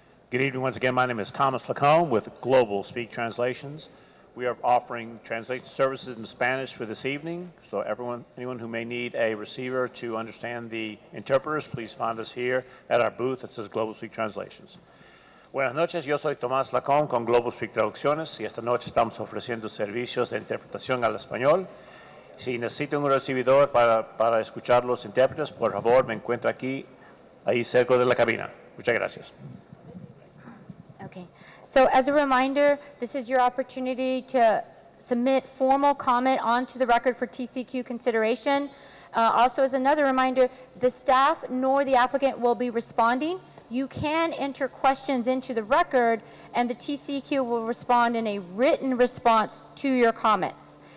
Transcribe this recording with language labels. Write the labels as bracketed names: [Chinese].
[English] Good evening once again. My name is Thomas Lacombe with Global Speak Translations. We are offering translation services in Spanish for this evening. So anyone who may need a receiver to understand the interpreters, please find us here at our booth that says Global Speak Translations. [Spanish] Buenas noches, yo soy Tomás Lacombe con Global Speak Traducciones y esta noche estamos ofreciendo servicios de interpretación al español. Si necesito un recibidor para escuchar los intérpretes, por favor, me encuentro aquí, ahí cerca de la cabina. Muchas gracias. [English] Okay. So as a reminder, this is your opportunity to submit formal comment onto the record for TCEQ consideration. Also, as another reminder, the staff nor the applicant will be responding. You can enter questions into the record, and the TCEQ will respond in a written response to your comments.